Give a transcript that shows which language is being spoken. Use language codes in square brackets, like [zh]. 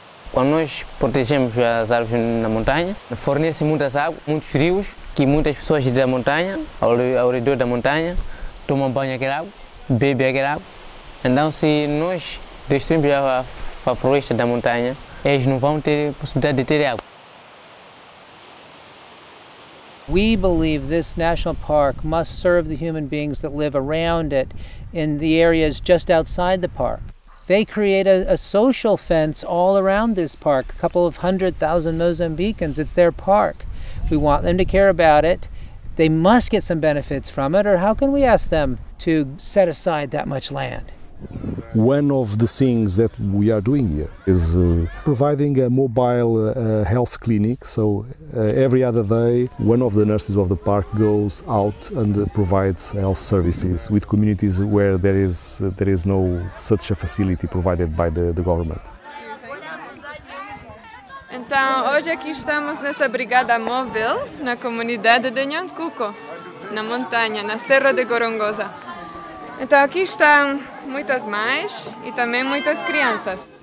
[pt] Quando nós protegemos as árvores na montanha, fornece muitas águas, muitos rios, que muitas pessoas da montanha, ao redor da montanha, tomam banho aquela água, bebem aquela água. Então, se nós destruirmos a floresta da montanha, eles não vão ter possibilidade de ter água. [en] We believe this national park must serve the human beings that live around it in the areas just outside the park. They create a social fence all around this park, a couple of 100,000 Mozambicans. It's their park. We want them to care about it. They must get some benefits from it, or how can we ask them to set aside that much land? One of the things that we are doing here is providing a mobile health clinic. So every other day, one of the nurses of the park goes out and provides health services with communities where there is no such a facility provided by the government. [pt] Então, hoje aqui estamos nessa brigada móvel na comunidade de Nyankuko, na montanha, na Serra de Gorongosa. Então, aqui estão muitas mães e também muitas crianças.